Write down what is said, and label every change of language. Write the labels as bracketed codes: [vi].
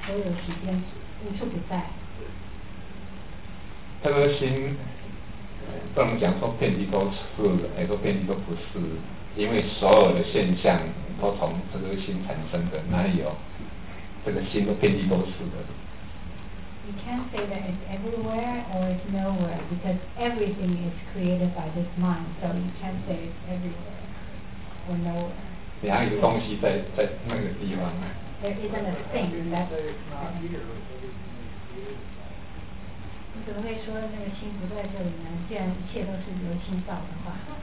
[zh] 所有时间无处不在。这个心不能讲说遍地都是，也说遍地都不是，因为所有的现象都从这个心产生的，哪里有这个心都遍地都是的。 [en] You can't say that it's everywhere or it's nowhere because everything is created by this mind. So you can't say it's everywhere or nowhere. [zh] 你还有东西在那个地方。 [en] There isn't a thing. You can't say it's not here. [zh] 你怎么会说那个心不在这里呢？既然一切都是由心造的话。